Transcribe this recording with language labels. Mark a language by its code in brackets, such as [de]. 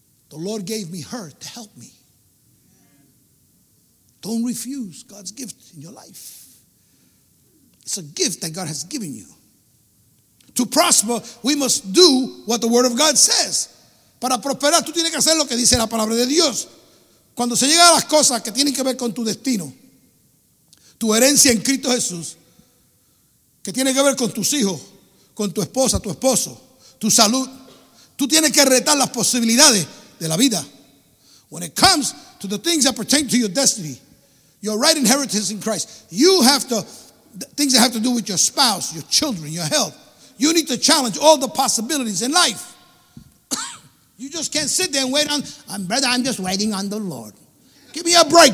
[en] The Lord gave me her to help me. Don't refuse God's gift in your life. It's a gift that God has given you. To prosper, we must do what the word of God says. [es] Para prosperar, tú tienes que hacer lo que dice la palabra de Dios. Cuando se llega a las cosas que tienen que ver con tu destino, tu herencia en Cristo Jesús, que tiene que ver con tus hijos, con tu esposa, tu esposo, tu salud, tú tienes que retar las posibilidades de la vida. [en] When it comes to the things that pertain to your destiny, your right inheritance in Christ, you have to, things that have to do with your spouse, your children, your health, you need to challenge all the possibilities in life. You just can't sit there and wait on, brother, I'm just waiting on the Lord. Give me a break.